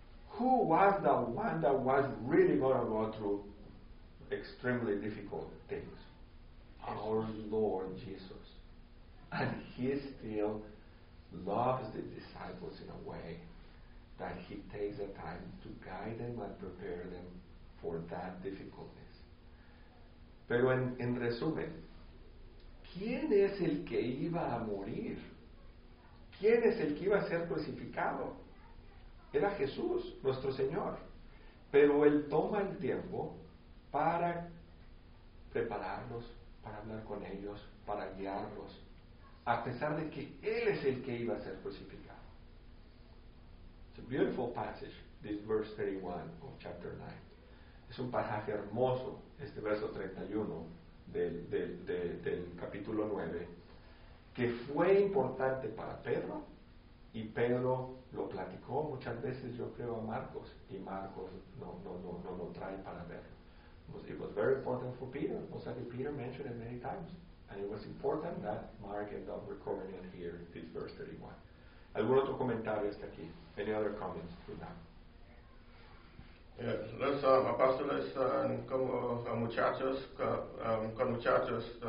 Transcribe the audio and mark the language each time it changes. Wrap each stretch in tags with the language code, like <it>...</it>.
<en>Who was the one that was really going to go through extremely difficult things? Our Lord Jesus. And he still loves the disciples in a way that he takes the time to guide them and prepare them for that difficultness.</en> <es>Pero en resumen, ¿quién es el que iba a morir? ¿Quién es el que iba a ser crucificado? Era Jesús, nuestro Señor. Pero Él toma el tiempo para prepararlos, para hablar con ellos, para guiarlos, a pesar de que Él es el que iba a ser crucificado.</es> <en>It's a beautiful passage, this verse 31 of chapter 9.</en> <es>Es un pasaje hermoso, este verso 31. Del capítulo 9, que fue importante para Pedro, y Pedro lo platicó muchas veces, yo creo, a Marcos, y Marcos no lo trae para verlo.</es> <en>It was very important for Peter, most likely Peter mentioned it many times, and it was important that Mark ended up recording it here, this verse 31.</en> <es>¿Algún otro comentario está aquí?</es> <en>Any other comments to that?</en> <es>Yes, los apóstoles están como muchachos, con muchachos.</es>